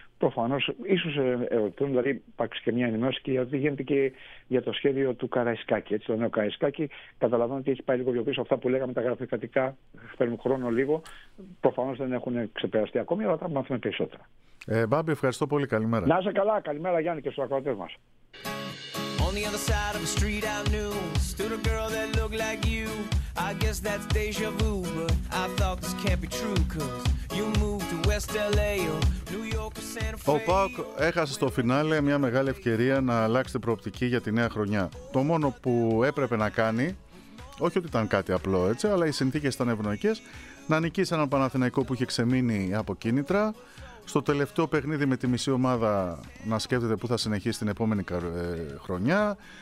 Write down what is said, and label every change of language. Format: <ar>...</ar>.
<el>Προφανώ, ίσω ερωτηθούν, δηλαδή υπάρξει και μια ενημέρωση και γιατί γίνεται και για το σχέδιο του Καραϊσκάκη. Έτσι, το νέο Καραϊσκάκη. Καταλαβαίνω ότι έχει πάει λίγο πιο πίσω αυτά που λέγαμε τα γραφειοκρατικά. Παίρνουν χρόνο λίγο. Προφανώ δεν έχουν ξεπεραστεί ακόμη, αλλά θα μάθουμε περισσότερα. Μπάμπη, ευχαριστώ πολύ. Καλημέρα. Να είσαι καλά. Καλημέρα, Γιάννη, και στου ακροατέ μα.</el> <en>On the other side of the street I knew stood a girl that looked like you. I guess that's deja vu, but I thought this can't be true, cause you moved to West LA or New York or Santa Fe.</en> <el>Ο ΠΑΟΚ έχασε στο φινάλε μια μεγάλη ευκαιρία να αλλάξει την προοπτική για τη νέα χρονιά. Το μόνο που έπρεπε να κάνει, όχι ότι ήταν κάτι απλό έτσι, αλλά οι συνθήκες ήταν ευνοϊκές, να νικήσει έναν Παναθηναϊκό που είχε ξεμείνει από κίνητρα. Στο τελευταίο παιχνίδι με τη μισή ομάδα να σκέφτεται πού θα συνεχίσει την επόμενη χρονιά.</el>